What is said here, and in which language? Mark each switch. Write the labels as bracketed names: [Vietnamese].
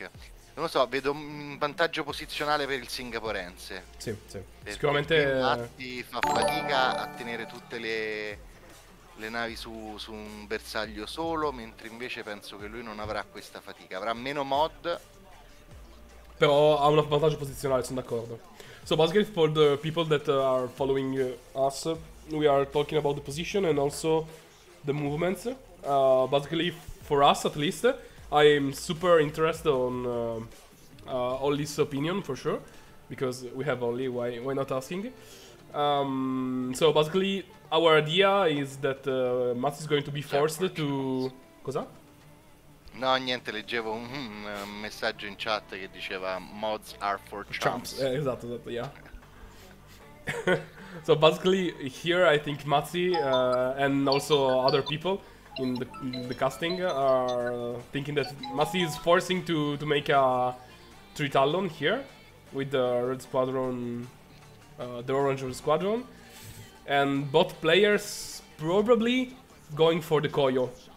[Italian] Non lo so, vedo un vantaggio posizionale per il singaporense. Sì, sì. Sicuramente infatti fa fatica a tenere tutte le navi su un bersaglio solo, mentre invece penso che lui non avrà questa fatica. Avrà meno mod, però ha un vantaggio posizionale, sono d'accordo. [English] So basically for the people that are following us, we are talking about the position and also the movements. Basically for us at least, I am super interested on Olli's opinion for sure, because we have Olli, why not asking? So basically our idea is that Mats is going to be forced to... [Italian] Cosa? No, niente, leggevo un messaggio in chat che diceva [English] mods are for chumps. [Italian] Esatto, yeah. [English] So basically here I think Mazzi and also other people in the casting are thinking that Mazzi is forcing to make a 3 Talon here with the red squadron, the orange red squadron, and both players probably going for the Koyo.